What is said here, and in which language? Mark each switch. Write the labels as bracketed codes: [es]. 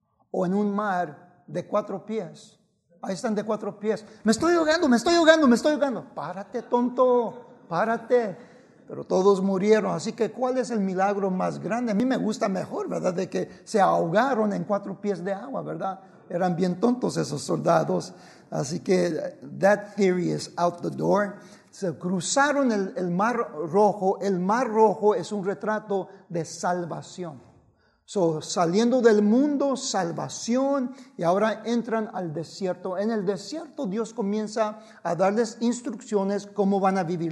[es] ¿O en un mar de cuatro pies? Ahí están de cuatro pies. ¡Me estoy ahogando, me estoy ahogando, me estoy ahogando! ¡Párate, tonto! ¡Párate! Pero todos murieron. Así que, ¿cuál es el milagro más grande? A mí me gusta mejor, ¿verdad? De que se ahogaron en cuatro pies de agua, ¿verdad? Eran bien tontos esos soldados. Así que, [en] that theory is out the door. [es] Se cruzaron el Mar Rojo. El Mar Rojo es un retrato de salvación. So, saliendo del mundo, salvación, y ahora entran al desierto. En el desierto, Dios comienza a darles instrucciones cómo van a vivir.